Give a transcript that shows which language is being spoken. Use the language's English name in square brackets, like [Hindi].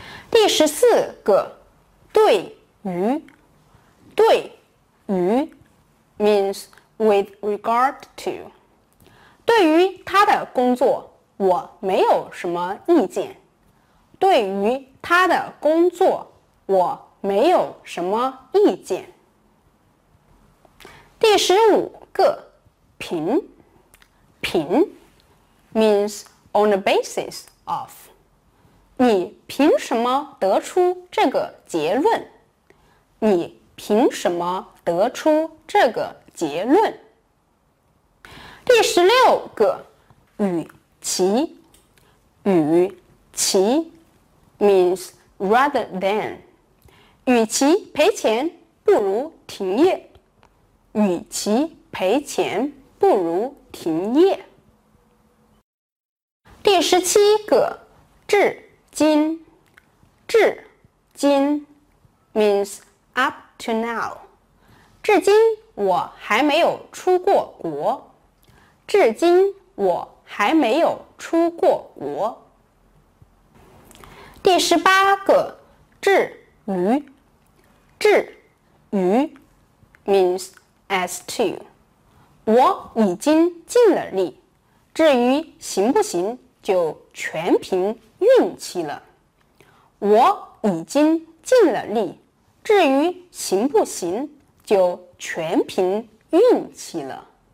[Chinese] 第十四个对于对于 [English] means with regard to. [Chinese] 对于他的工作我没有什么意见。对于他的工作我没有什么意见。第十五个凭凭 [English] means on the basis of. [Chinese] 你凭什么得出这个结论？你凭什么得出这个结论？第十六个，与其，与 [English] 其 means rather than. [Chinese] 与其赔钱不如停业。与其赔钱不如停业。第十七个，至今。 [English] 至今 means up to now. [Chinese] 至今我还没有出过国。至今我还没有出过国。第十八个，至于。 [English] 至于 means as to. [Chinese] 我已经尽了力，至于行不行就全凭运气了。我已经尽了力，至于行不行就全凭运气了。